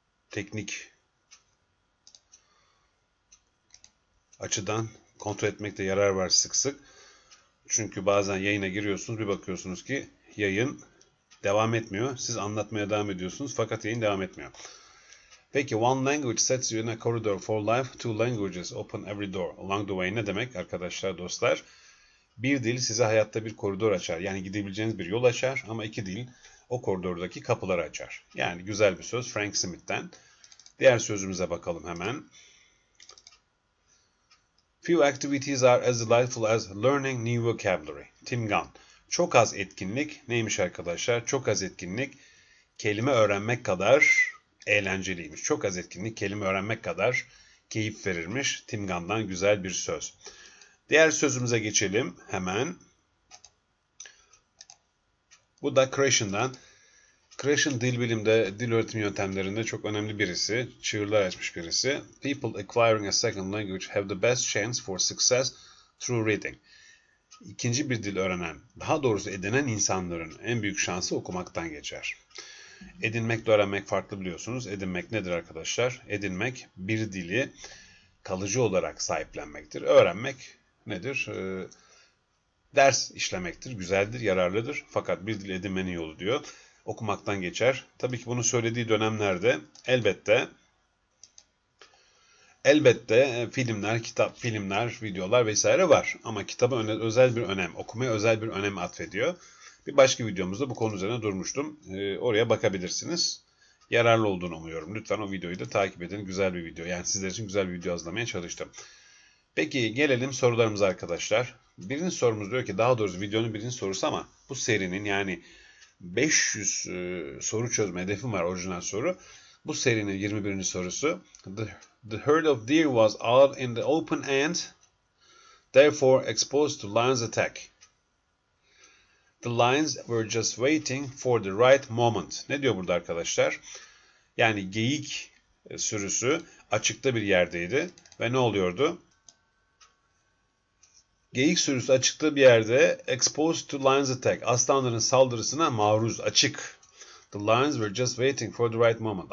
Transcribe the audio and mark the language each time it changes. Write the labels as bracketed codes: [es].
[tr] Teknik açıdan kontrol etmekte yarar var sık sık. Çünkü bazen yayına giriyorsunuz, bir bakıyorsunuz ki yayın devam etmiyor. Siz anlatmaya devam ediyorsunuz fakat yayın devam etmiyor. [en] Peki, one language sets you in a corridor for life. Two languages open every door along the way. [tr] Ne demek arkadaşlar, dostlar? Bir dil size hayatta bir koridor açar. Yani gidebileceğiniz bir yol açar, ama iki dil o koridordaki kapıları açar. Yani güzel bir söz Frank Smith'ten. Diğer sözümüze bakalım hemen. [en] Few activities are as delightful as learning new vocabulary. Tim Gunn. [tr] Çok az etkinlik neymiş arkadaşlar? Çok az etkinlik kelime öğrenmek kadar eğlenceliymiş. Çok az etkinlik kelime öğrenmek kadar keyif verirmiş. Tim Gunn'dan güzel bir söz. Diğer sözümüze geçelim hemen. Bu da Krashen'dan. Krashen dil bilimde, dil öğretim yöntemlerinde çok önemli birisi. Çığırlar açmış birisi. [en] People acquiring a second language have the best chance for success through reading. [tr] İkinci bir dil öğrenen, daha doğrusu edinen insanların en büyük şansı okumaktan geçer. Edinmek de öğrenmek farklı biliyorsunuz. Edinmek nedir arkadaşlar? Edinmek bir dili kalıcı olarak sahiplenmektir. Öğrenmek nedir? Ders işlemektir, güzeldir, yararlıdır. Fakat bir dil edinmenin yolu diyor, okumaktan geçer. Tabii ki bunu söylediği dönemlerde elbette filmler, videolar vesaire var. Ama kitaba özel bir önem, okumaya özel bir önem atfediyor. Bir başka videomuzda bu konu üzerine durmuştum. Oraya bakabilirsiniz. Yararlı olduğunu umuyorum. Lütfen o videoyu da takip edin. Güzel bir video. Yani sizler için güzel bir video hazırlamaya çalıştım. Peki gelelim sorularımıza arkadaşlar. Birinci sorumuz diyor ki, daha doğrusu videonun birinci sorusu, ama bu serinin, yani 500 soru çözme hedefim var, orijinal soru. Bu serinin 21. sorusu. [en] The herd of deer was out in the open and therefore exposed to lion's attack. The lions were just waiting for the right moment. [tr] Ne diyor burada arkadaşlar? Yani geyik sürüsü açıkta bir yerdeydi ve ne oluyordu? Geyik sürüsü açıkta bir yerde, [en] exposed to lion's attack, [tr] aslanların saldırısına maruz, açık. [en] The lions were just waiting for the right moment.